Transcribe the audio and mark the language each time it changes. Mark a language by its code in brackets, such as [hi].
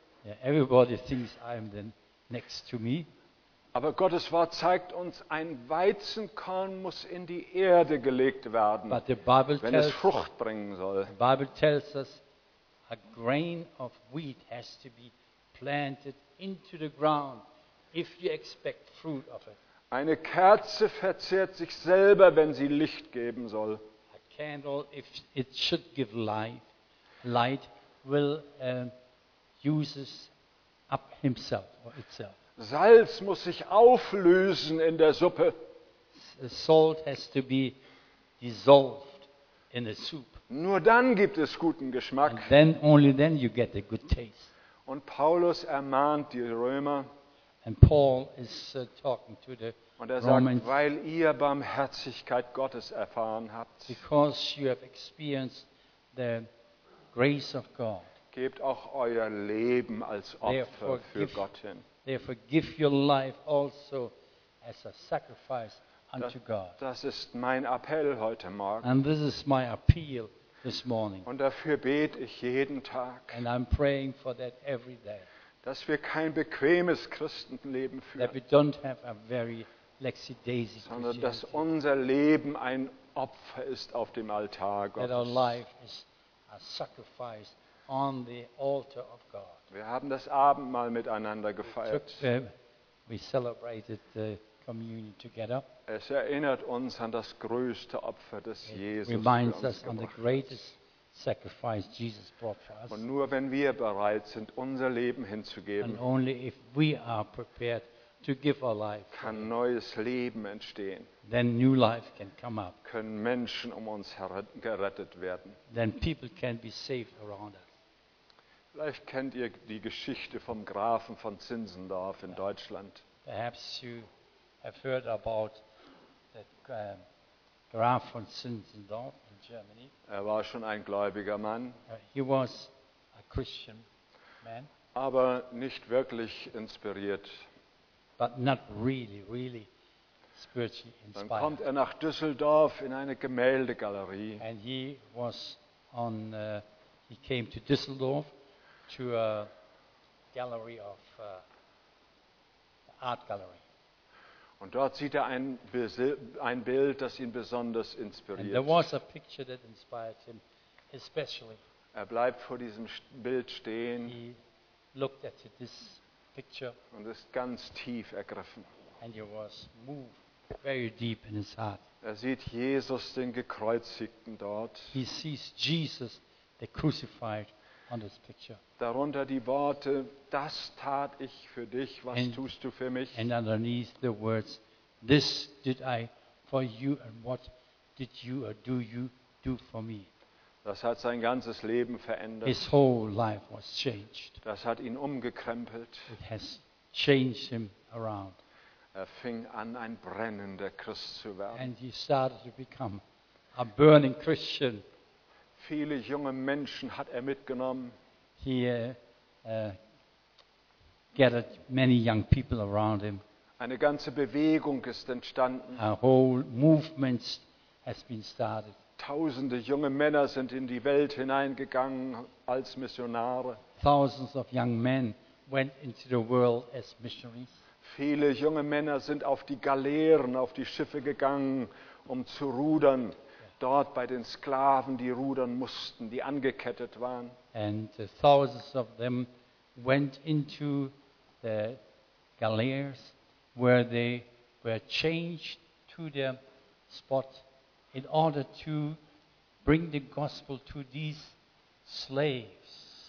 [en] Yeah, everybody thinks I'm the next to me. [de] Aber Gottes Wort zeigt uns, ein Weizenkorn muss in die Erde gelegt werden, wenn es Frucht bringen soll. [en] The Bible tells us, a grain of wheat has to be planted into the ground if you expect fruit of it. [de] Eine Kerze verzehrt sich selber, wenn sie Licht geben soll. [en] A candle, if it should give life, light, will uses up himself or itself. [de] Salz muss sich auflösen in der Suppe. [en] Salt has to be dissolved in the soup. [de] Nur dann gibt es guten Geschmack. [en] And then, only then you get a good taste. [de] Und Paulus ermahnt die Römer. [en] And Paul is talking to the [de] Und er [en] Romans, [de] sagt, weil ihr Barmherzigkeit Gottes erfahren habt, [en] because you have experienced the grace of God, [de] gebt auch euer Leben als Opfer für Gott hin. [en] Therefore give your life also as a sacrifice unto God. [de] Das ist mein Appell heute Morgen. [en] And this is my appeal this morning. [de] Und dafür bete ich jeden Tag. [en] And I'm praying for that every day. [de] Dass wir kein bequemes Christenleben führen. [en] That we don't have a very lazy-daisy Christianity. [de] Sondern dass unser Leben ein Opfer ist auf dem Altar Gottes. [en] That our life is a sacrifice on the altar of God. [de] Wir haben das Abendmahl miteinander gefeiert. [en] We celebrated the communion together. [de] Es erinnert uns an das größte Opfer des [en] It [de] Jesus. [en] Reminds [de] für uns [en] us on the greatest sacrifice Jesus brought for us. [de] Und nur wenn wir bereit sind, unser Leben hinzugeben, [en] and only if we are prepared to give our life, [de] kann neues Leben entstehen. [en] Then new life can come up. [de] Können Menschen um uns gerettet werden. [en] Then people can be saved around us. [de] Vielleicht kennt ihr die Geschichte vom Grafen von Zinzendorf in Deutschland. [en] Perhaps you have heard about the Graf von Zinzendorf in Germany. [de] Er war schon ein gläubiger Mann. [en] He was a Christian man. [de] Aber nicht wirklich inspiriert. [en] But not really, really. Spiritually inspired. [de] Dann kommt er nach Düsseldorf in eine Gemäldegalerie. [en] And he was on. He came to Düsseldorf to a gallery of art gallery. [de] Und dort sieht er ein Bild, das ihn besonders inspiriert. [en] And there was a picture that inspired him especially. [de] Er bleibt vor diesem Bild stehen. [en] He looked at this picture. [de] Und ist ganz tief ergriffen. [en] And he was moved. Very deep in his heart. [de] Er sieht Jesus, den Gekreuzigten, dort. [en] He sees Jesus, the crucified, on this picture. [de] Darunter die Worte, das tat ich für dich, was and, tust du für mich? [en] And underneath the words, this did I for you, and what did you or do you do for me? [de] Das hat sein ganzes Leben verändert. [en] His whole life was changed. [de] Das hat ihn umgekrempelt. [en] It has changed him around. [de] Er fing an, ein brennender Christ zu werden. [en] And he started to become a burning Christian. [de] Viele junge Menschen hat er mitgenommen. [en] He gathered many young people around him. [de] Eine ganze Bewegung ist entstanden. [en] A whole movement has been started. [de] Tausende junge Männer sind in die Welt hineingegangen als Missionare. [en] Thousands of young men went into the world as missionaries. [de] Viele junge Männer sind auf die Galeeren, auf die Schiffe gegangen, um zu rudern. Dort bei den Sklaven, die rudern mussten, die angekettet waren. [en] And thousands of them went into the galeers, where they were changed to their spot in order to bring the gospel to these slaves.